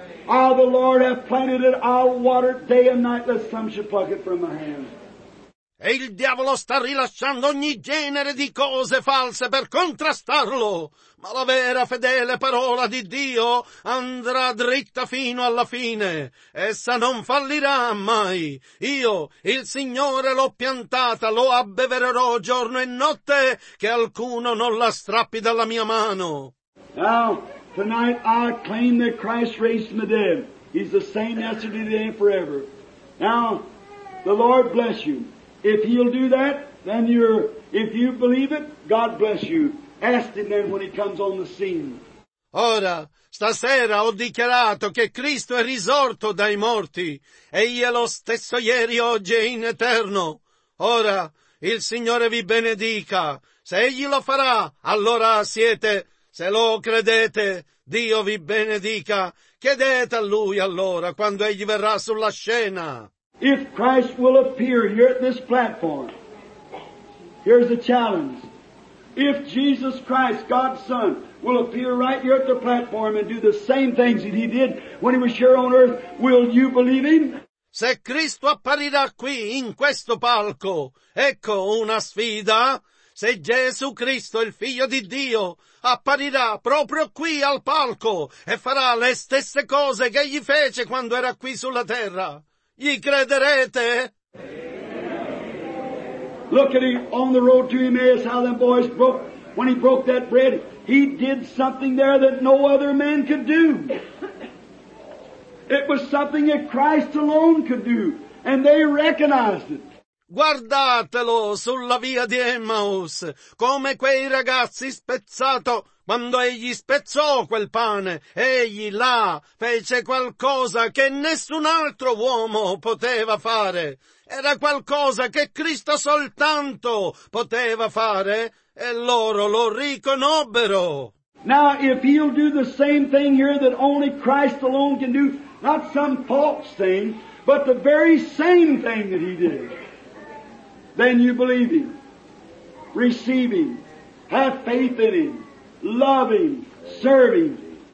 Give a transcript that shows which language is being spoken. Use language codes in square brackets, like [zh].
[en] I, the Lord, have planted it. I'll water it day and night, lest some should pluck it from my hand. [it] E il diavolo sta rilasciando ogni genere di cose false per contrastarlo. Ma la vera fedele parola di Dio andrà dritta fino alla fine. Essa non fallirà mai. Io, il Signore, l'ho piantata, lo abbevererò giorno e notte, che alcuno non la strappi dalla mia mano. [en] Now, tonight I claim that Christ raised from the dead. He's the same yesterday, today, and forever. Now, the Lord bless you. If he'll do that, then you're, if you believe it, God bless you. Ask him then when he comes on the scene. [it] Ora, stasera ho dichiarato che Cristo è risorto dai morti. Egli è lo stesso ieri, oggi e in eterno. Ora, il Signore vi benedica. Se egli lo farà, allora siete, se lo credete, Dio vi benedica. Chiedete a lui allora quando egli verrà sulla scena. [en] If Christ will appear here at this platform, here's the challenge. If Jesus Christ, God's Son, will appear right here at the platform and do the same things that he did when he was here on earth, will you believe him? [it] Se Cristo apparirà qui, in questo palco, ecco una sfida. Se Gesù Cristo, il Figlio di Dio, apparirà proprio qui al palco e farà le stesse cose che egli fece quando era qui sulla terra. Gli crederete? [en] Look at him on the road to Emmaus, how them boys broke, when he broke that bread, he did something there that no other man could do. It was something that Christ alone could do, and they recognized it. [it] Guardatelo sulla via di Emmaus, come quei ragazzi spezzato, quando egli spezzò quel pane, egli là fece qualcosa che nessun altro uomo poteva fare. Era qualcosa che Cristo soltanto poteva fare, e loro lo riconobbero. [en] Now, if he'll do the same thing here that only Christ alone can do, not some false thing, but the very same thing that he did, then you believe him, receive him, have faith in him, love him, serve him.